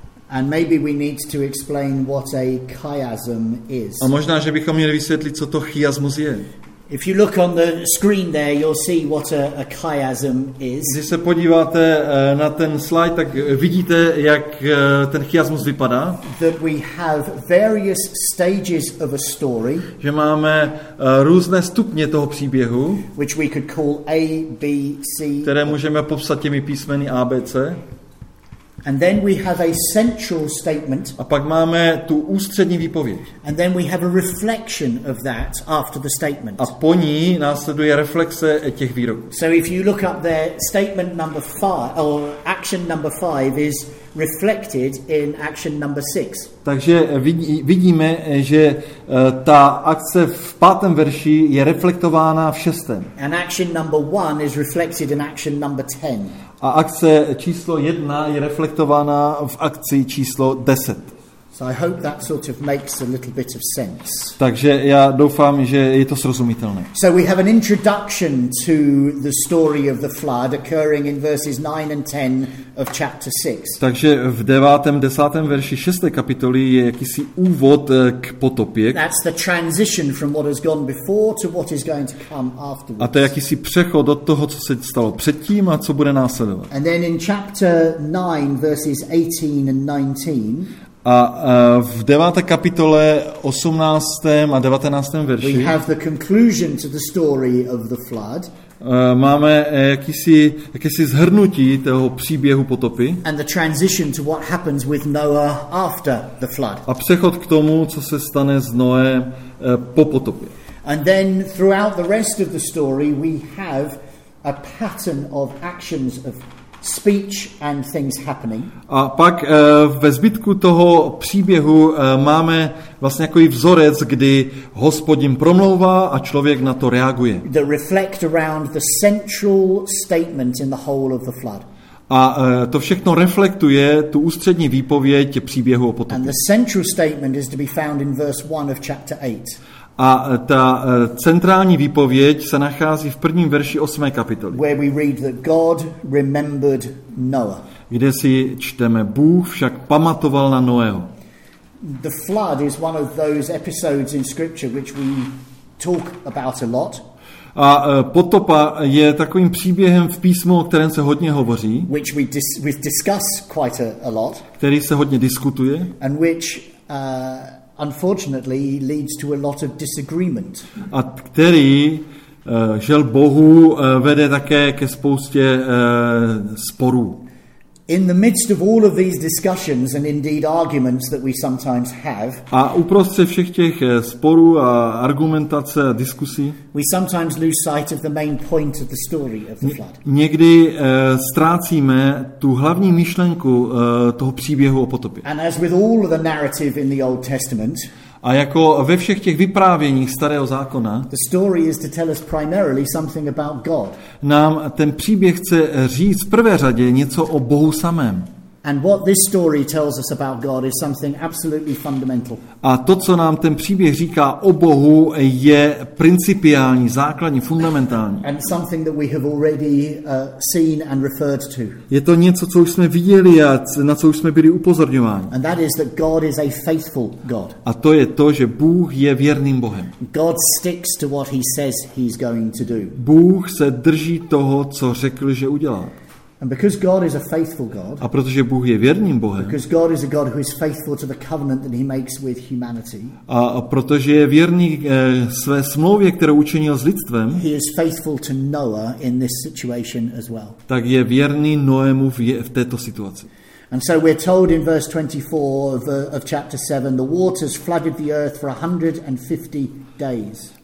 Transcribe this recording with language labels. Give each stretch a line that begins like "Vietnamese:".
English: And maybe we need to explain what a chiasm is.
Czech: A možná, že bychom měli vysvětlit, co to chiasmus je.
English: If you look on the screen there, you'll see what a chiasm is.
Czech: Když se podíváte na ten slide, tak vidíte, jak ten chiasmus vypadá.
English: That we have various stages of a story.
Czech: Že máme různé stupně toho příběhu.
English: Which we could call A, B, C.
Czech: Které můžeme popsat těmi písmeny A, B, C.
English: And then we have a central statement.
Czech: A pak máme tu ústřední výpověď.
English: And then we have a reflection of that after the statement.
Czech: A po ní následuje reflexe těch výroků.
English: So if you look up there, statement number 5 or action number 5 is reflected in action number 6.
Czech: Takže vidíme, že ta akce v pátém verši je reflektována v šestém.
English: And action number 1 is reflected in action number 10.
Czech: A akce číslo 1 je reflektována v akci číslo 10.
English: So I hope that sort of makes a little bit of sense.
Czech: Takže já doufám, že je to srozumitelné.
English: So we have an introduction to the story of the flood occurring in verses 9 and 10 of chapter 6.
Czech: Takže v 9. 10. verši 6. kapitoly je jakýsi úvod k potopě.
English: That's the transition from what has gone before to what is going to come afterwards.
Czech: A to je jakýsi přechod od toho, co se stalo předtím a co bude následovat.
English: And then in chapter 9 verses 18 and 19.
Czech: A v 9. kapitole 18. a 19. verši
English: we have the conclusion to the story of the flood.
Czech: Máme jakýsi zhrnutí toho příběhu potopy.
English: And the transition to what happens with Noah after the flood.
Czech: A přechod k tomu, co se stane s Noem po potopě.
English: And then throughout the rest of the story we have a pattern of actions of speech and things happening.
Czech: A pak ve zbytku toho příběhu máme vlastně takový vzorec, kdy Hospodin promlouvá a člověk na to reaguje.
English: The reflect around the central statement in the whole of the flood.
Czech: A to všechno reflektuje tu ústřední výpověď příběhu o potopě.
English: And the central statement is to be found in verse 1 of chapter 8.
Czech: A ta centrální výpověď se nachází v prvním verši 8. kapitoly.
English: Where we read that God remembered Noah.
Czech: Kde si čteme, Bůh však pamatoval na Noého.
English: The flood is one of those episodes in scripture which we talk about a lot.
Czech: A potopa je takovým příběhem v písmu, o kterém se hodně hovoří.
English: Which we discuss quite a lot.
Czech: Který se hodně diskutuje.
English: And which unfortunately leads to a lot of disagreement.
Czech: A který žel Bohu vede také ke spoustě sporů.
English: In the midst of all of these discussions and indeed arguments that we sometimes have.
Czech: A uprostřed všech těch sporů a argumentace a diskusí.
English: We sometimes lose sight of the main point of the story of the flood.
Czech: Někdy ztrácíme tu hlavní myšlenku toho příběhu o potopě.
English: And as with all of the narrative in the Old Testament.
Czech: A jako ve všech těch vyprávěních Starého zákona,
English: the story is to tell us primarily something about God.
Czech: Nám ten příběh chce říct v prvé řadě něco o Bohu samém.
English: And what this story tells us about God is something absolutely fundamental.
Czech: A to, co nám ten příběh říká o Bohu, je principiální, základní, fundamentální.
English: And something that we have already seen and referred to.
Czech: Je to něco, co už jsme viděli a na co už jsme byli upozorňováni.
English: And that is that God is a faithful God.
Czech: A to je to, že Bůh je věrným Bohem.
English: God sticks to what he says he's going to do.
Czech: Bůh se drží toho, co řekl, že udělá.
English: And because God is a faithful God.
Czech: A protože Bůh je věrným Bohem.
English: Because God is a God who is faithful to the covenant that he makes with humanity.
Czech: A protože je věrný své smlouvě, kterou učinil s lidstvem.
English: He is faithful to Noah in this situation as well.
Czech: Tak je věrný Noému v této situaci.
English: And so we're told in verse 24 of chapter 7 the waters flooded the earth for 150 days.